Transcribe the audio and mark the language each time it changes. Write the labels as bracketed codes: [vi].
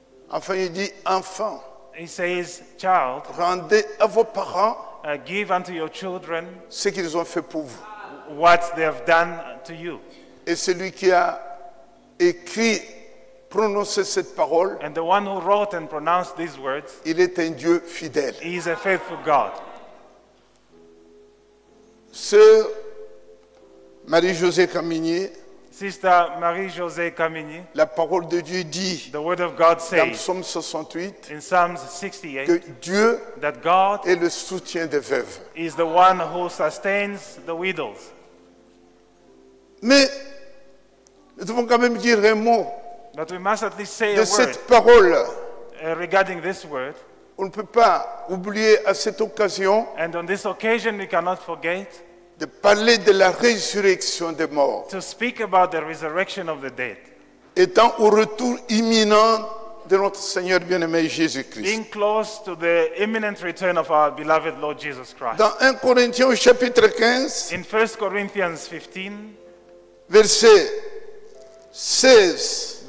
[fr] Enfin il dit enfant. [en] He says, child, [fr] rendez à vos parents [en] give unto your children [fr] ce qu'ils ont fait pour vous. [en] What they have done to you. [fr] Et celui qui a écrit, prononcé cette parole, [en] and the one who wrote and pronounced these words, [fr] il est un Dieu fidèle. [en] He is a faithful God. [fr] Sœur Marie-Josée Caminier, [en] Sister Marie-Josée Kamini, [fr] la parole de Dieu dit, [en] the word of God says, [fr] dans Psaume 68, [en] in Psalms 68, [fr] que Dieu [en] that God [fr] est le soutien des veuves. [en] Is the one who sustains the widows. [fr] Mais nous devons quand même dire un mot. [en] But we must at least say [fr] de [en] a [fr] cette parole. [en] Regarding this word, [fr] on ne peut pas oublier à cette occasion, [en] and on this occasion we cannot forget, [fr] de parler de la résurrection des morts. [en] To speak about the resurrection of the dead. [fr] Étant au retour imminent de notre Seigneur bien-aimé Jésus-Christ. [en] Being close to the imminent return of our beloved Lord Jesus Christ. [fr] Dans 1 Corinthiens chapitre 15. [en] In 1 Corinthians 15. [fr] Verset 16.